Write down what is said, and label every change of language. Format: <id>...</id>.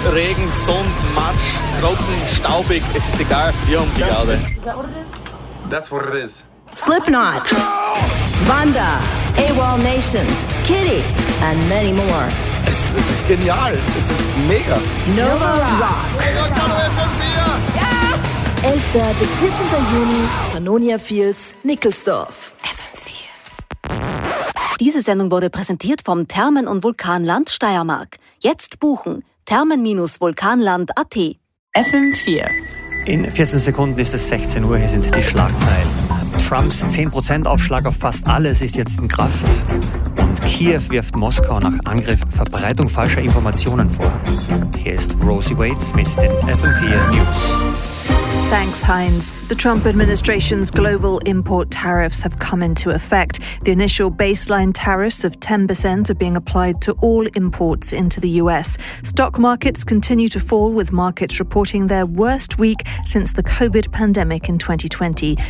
<de>Regen, Sonn, Matsch, trocken, staubig, es ist egal, wir haben die Garde.</de> <en>Is that what it is? That's what it is. Slipknot, Wanda, AWOL Nation, Kitty, and many more.</en> <de>Es ist genial, es ist mega. Nova Rock.</de> <en>Yes!</en> <de>11. bis 14. Juni, Pannonia Fields, Nickelsdorf. Diese Sendung wurde präsentiert vom Thermen- und Vulkanland Steiermark. Jetzt buchen. Thermen-Vulkanland.at. FM4. In 14 Sekunden ist es 16 Uhr. Hier sind die Schlagzeilen. Trumps 10% Aufschlag auf fast alles ist jetzt in Kraft. Und Kiew wirft Moskau nach Angriff Verbreitung falscher Informationen vor. Hier ist Rosie Waits mit den FM4 News.</de> <en>Thanks, Heinz. The Trump administration's global import tariffs have come into effect. The initial baseline tariffs of 10% are being applied to all imports into the US. Stock markets continue to fall, with markets reporting their worst week since the COVID pandemic in 2020.</en>